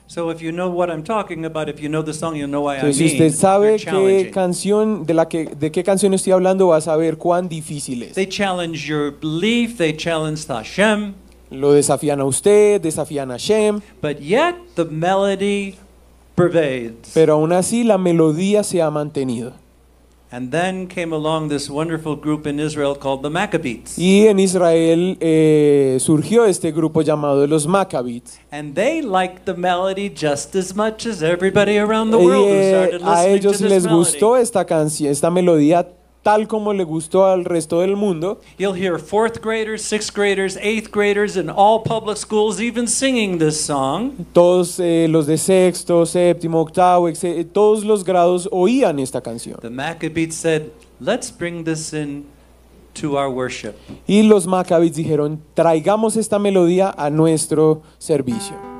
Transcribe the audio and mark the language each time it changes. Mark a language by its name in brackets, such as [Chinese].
[English] So if you know what I'm talking about, if you know the song, you'll know why. [Spanish] Entonces, [English] I mean, [Spanish] si usted sabe qué canción de qué canción estoy hablando, va a saber cuán difícil es. [English] They challenge your belief, they challenge Hashem. [Spanish] Lo desafían a usted, desafían a Hashem. [English] But yet the melody pervades. [Spanish] Pero aún así la melodía se ha mantenido. [English] And then came along this wonderful group in Israel called the Maccabees. [Spanish] Y en Israel surgió este grupo llamado los Maccabees. [English] And they liked the melody just as much as everybody around the world who started listening to this melody. [Spanish] A ellos les gustó esta canción, esta melodía, tal como le gustó al resto del mundo. [English] You'll hear fourth graders, sixth graders, eighth graders in all public schools even singing this song. [Spanish] Todos los de sexto, séptimo, octavo, todos los grados oían esta canción. [English] The Maccabees said, "Let's bring this in to our worship." [Spanish] Y los Maccabees dijeron, "Traigamos esta melodía a nuestro servicio."